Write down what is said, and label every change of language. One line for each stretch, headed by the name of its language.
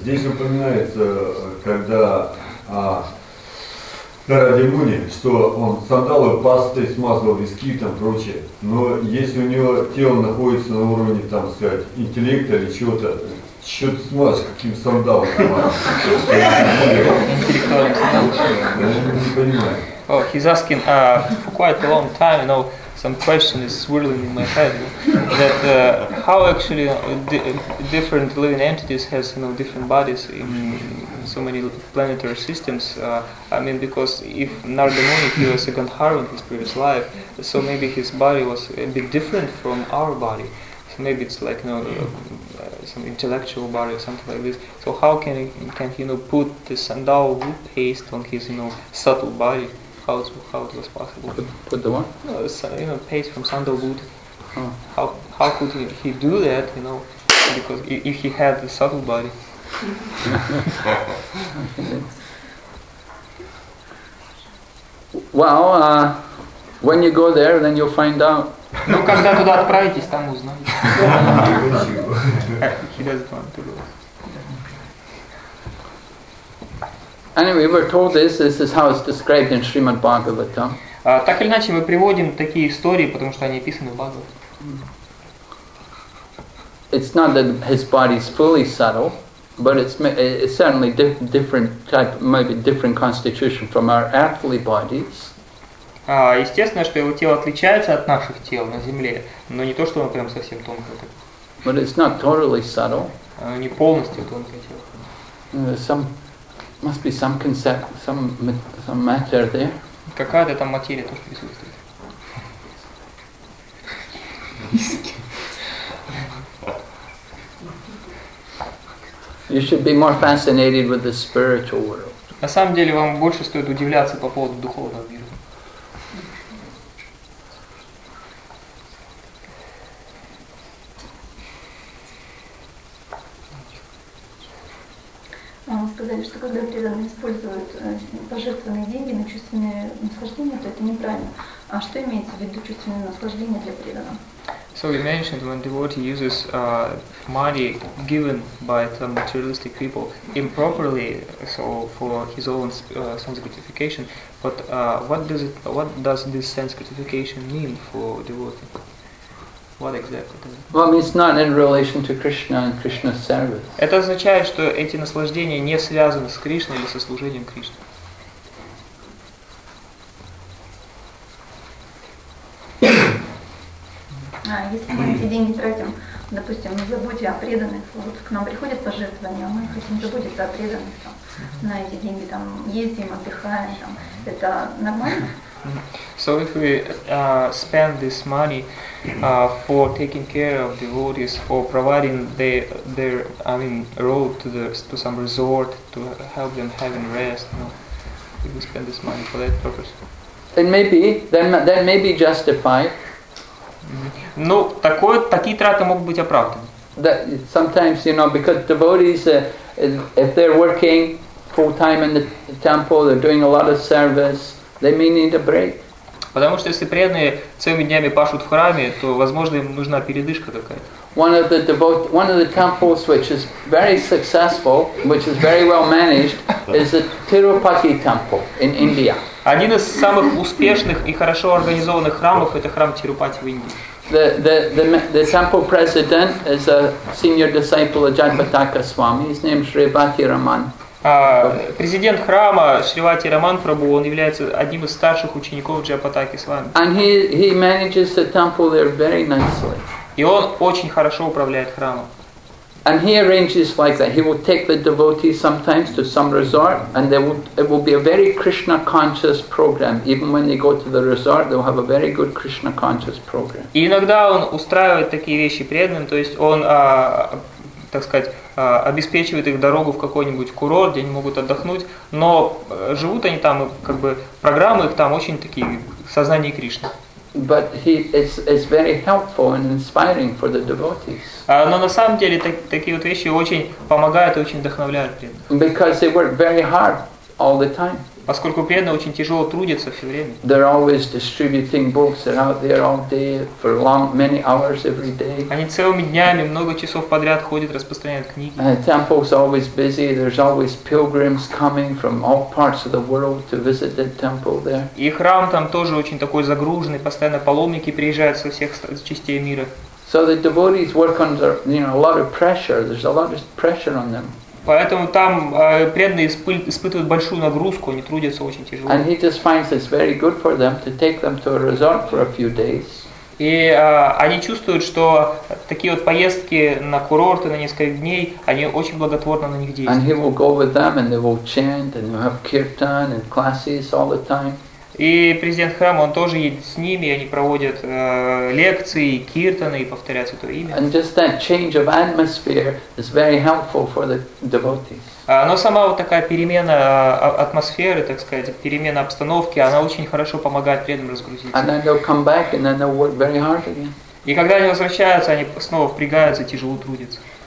Russian: Здесь упоминается, когда Карадимуни, что он сандалы пастой смазывал, виски и прочее. Но если у него тело находится на уровне, там сказать, интеллекта или чего-то, что ты смазываешь, каким сандалом интеллектуальным. Я не понимаю.
English: Oh, he's asking for quite a long time, you know, some question is swirling in my head, that how actually different living entities has, you know, different bodies in so many planetary systems. I mean, because if Nardamuni, he was a Gandharva in his previous life, so maybe his body was a bit different from our body. So maybe it's like, you know, some intellectual body or something like this. So how can he, you know, put the sandal wood paste on his, you know, subtle body? How it was possible? Put the one? You know, paste from sandalwood. Oh. How could he do that? You know, because if he had the subtle body. Well, when you go there, then you'll find out.
Russian: Ну когда туда отправитесь, там узнаете.
English: He doesn't want to go. Anyway, we're told this is how it's described in Srimad Bhagavatam.
Russian: Так или иначе, мы приводим такие истории, потому что они описаны в Бхагаватам.
English: It's not that his body is fully subtle, but it's certainly different type, maybe different constitution from our earthly bodies.
Russian: Естественно, что его тело отличается от наших тел на Земле, но не то, что он прям совсем тонкое.
English: But it's not totally subtle.
Russian: Не полностью тонкое тело.
English: Must be some concept, some matter there.
Russian: Какая-то там материя тоже присутствует.
English: You should be more fascinated with the spiritual world.
Russian: На самом деле вам больше стоит удивляться по поводу духовного мира. Сказали, что когда преданные используют пожертвованные деньги на чувственное наслаждение, то это неправильно. А что имеется в виду чувственное наслаждение для преданного?
English: So you mentioned when devotee uses money given by some materialistic people improperly, so for his own sense gratification. But what does this sense gratification mean for devotee? What exactly does it mean? Well, it's not in relation to Krishna and Krishna's service.
Russian: Это означает, что эти наслаждения не связаны с Кришной или со служением Кришне. Если мы эти деньги тратим, допустим, на заботе о преданных, вот к нам приходят пожертвования, мы хотим заботиться о преданных, там, на эти деньги там ездим, отдыхаем, там, это нормально?
English: So if we spend this money for taking care of devotees, for providing road to some resort, to help them having rest, you know, if we spend this money for that purpose, then maybe justified.
Russian: Ну, такие траты могут быть оправданы.
English: That sometimes, you know, because devotees, if they're working full time in the temple, they're doing a lot of service. They may need a break.
Russian: Потому что если преданные целыми днями пашут в храме, то, возможно, им нужна передышка какая-то.
English: One of the temples which is very successful, which is very well managed, is the Tirupati temple in India.
Russian: Один из самых успешных и хорошо организованных храмов – это храм Тирупати в Индии.
English: The temple president is a senior disciple of Jagannatha Swami. His name is Shrivati Raman.
Russian: Президент храма Шривати Раман Прабу, он является одним из старших учеников Джапатаки Свами.
English: And he manages the temple there very nicely.
Russian: И он очень хорошо управляет храмом.
English: And he arranges like that. He will take the devotees sometimes to some resort, and it will be a very Krishna conscious program. Even when they go to the resort, they will have a very good Krishna conscious program.
Russian: И иногда он устраивает такие вещи преданным, то есть он, так сказать, обеспечивает их дорогу в какой-нибудь курорт, где они могут отдохнуть, но живут они там, и как бы программы их там очень такие в сознании Кришны.
English: But it's very helpful and inspiring for the devotees.
Russian: Но на самом деле такие вот вещи очень помогают и очень вдохновляют преданных.
English: Because they work very hard all the time.
Russian: Поскольку преданные очень тяжело трудятся все время.
English: They're always distributing books. They're out there all day for long, many hours every day.
Russian: Они целыми днями, много часов подряд ходят, распространяют книги.
English: Temple's always busy. There's always pilgrims coming from all parts of the world to visit the temple there.
Russian: И храм там тоже очень такой загруженный, постоянно паломники приезжают со всех частей мира.
English: So the devotees work under, you know, a lot of pressure. There's a lot of pressure on them.
Russian: Поэтому там преданные испытывают большую нагрузку, они трудятся очень тяжело.
English: And he just finds it's very good for them to take them to a resort for a few days.
Russian: И они чувствуют, что такие вот поездки на курорты на несколько дней, они очень благотворно на них действуют.
English: And he will go with them, and they will chant, and they will have kirtan and classes all the time.
Russian: И президент храма, он тоже едет с ними, и они проводят лекции, киртаны и повторяют святое имя.
English: And just that change of atmosphere is very helpful for the devotees.
Russian: Но сама вот такая перемена атмосферы, так сказать, перемена обстановки, она очень хорошо помогает преданным разгрузиться.
English: And then they'll come back and then they'll work very hard again.
Russian: И когда они возвращаются, они снова впрягаются, тяжело трудятся.